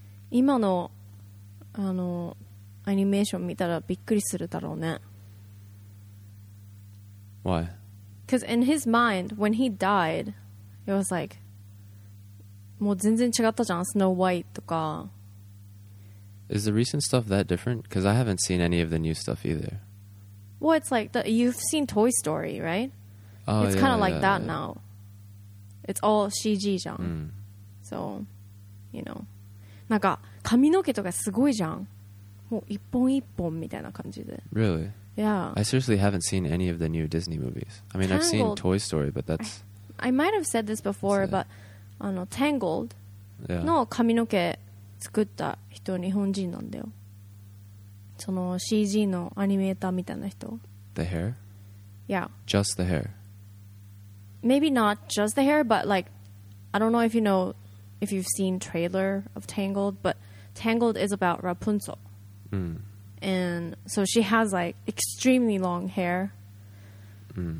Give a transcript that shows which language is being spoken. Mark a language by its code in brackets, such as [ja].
[ja] 今の、あの、アニメーション見たらびっくりするだろうね。 [en] Why? Because in his mind, when he died, it was like... [ja] もう全然違ったじゃん、Snow White とか。 [en] Is the recent stuff that different? Because I haven't seen any of the new stuff either. Well, it's like, you've seen Toy Story, right? Oh, it's kind of like yeah, that yeah. now. It's all CG [ja] じゃん、うん、 [en] So you know [ja] なんか髪の毛とかすごいじゃんもう一本一本みたいな感じで [en] Really? Yeah I seriously haven't seen any of the new Disney movies I mean、Tangled. I've seen Toy Story but that's I might have said this before but あの Tangled、yeah. [ja] の髪の毛作った人日本人なんだよその CG のアニメーターみたいな人 [en] The hair? Yeah Just the hair Maybe not just the hair but like I don't know if you know if you've seen trailer of Tangled but Tangled is about Rapunzel、 mm. and so she has like extremely long hair、 mm.